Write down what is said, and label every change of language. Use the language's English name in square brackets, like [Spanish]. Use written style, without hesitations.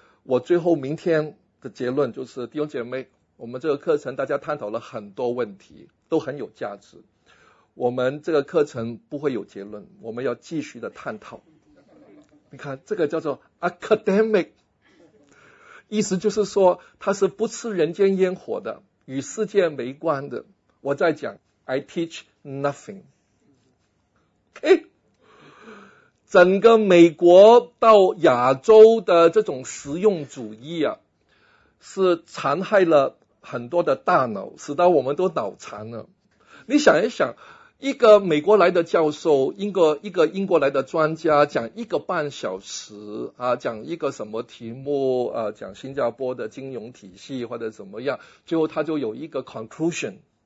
[Chinese] 我最后明天的结论就是，弟兄姐妹，我们这个课程大家探讨了很多问题都很有价值，我们这个课程不会有结论，我们要继续的探讨。你看这个叫做 academic， 意思就是说它是不吃人间烟火的，与世界没关的。 [English] 我在讲 I teach nothing、okay？ [Chinese] 整个美国到亚洲的这种实用主义啊，是残害了很多的大脑，使到我们都脑残了。你想一想，一个美国来的教授，一个英国来的专家，讲一个半小时啊，讲一个什么题目啊，讲新加坡的金融体系或者怎么样，最后他就有一个 conclusion。